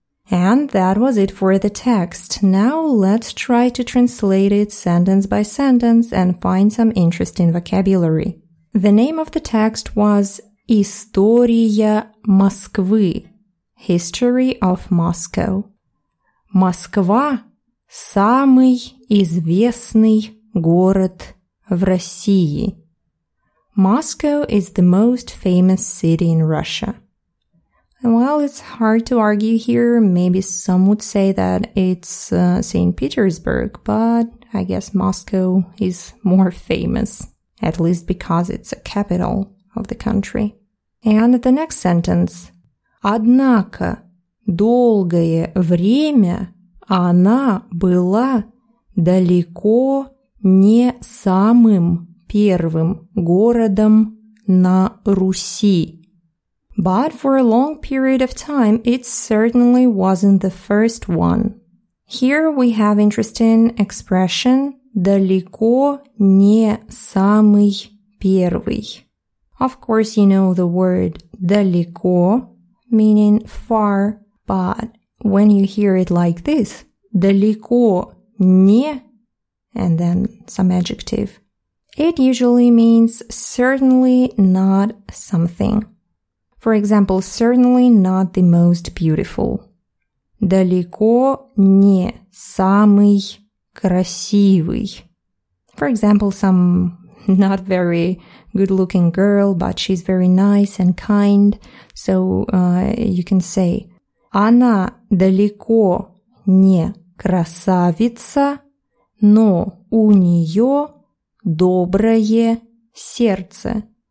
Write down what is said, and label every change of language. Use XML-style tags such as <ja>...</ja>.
<en>And that was it for the text. Now let's try to translate it sentence by sentence and find some interesting vocabulary. The name of the text was</en> <ru>История Москвы,</ru> <en>History of Moscow.</en> <ru>Москва – самый известный город в России.</ru> <en>Moscow is the most famous city in Russia. Well, it's hard to argue here. Maybe some would say that it's St. Petersburg, but I guess Moscow is more famous, at least because it's a capital of the country. And the next sentence.</en> <ru>Однако, долгое время она была далеко не самым первым городом на Руси.</ru> <en>But for a long period of time, it certainly wasn't the first one. Here we have interesting expression</en> <ru>далеко не самый первый.</ru> <en>Of course, you know the word далеко meaning far, but when you hear it like this,</en> <ru>далеко не,</ru> <en>and then some adjective, it usually means certainly not something. For example, certainly not the most beautiful.</en> <ru>Далеко не самый красивый.</ru> <en>For example, some not very good-looking girl, but she's very nice and kind. So you can say,</en> <ru>она далеко не красавица, но у нее доброе сердце.</ru>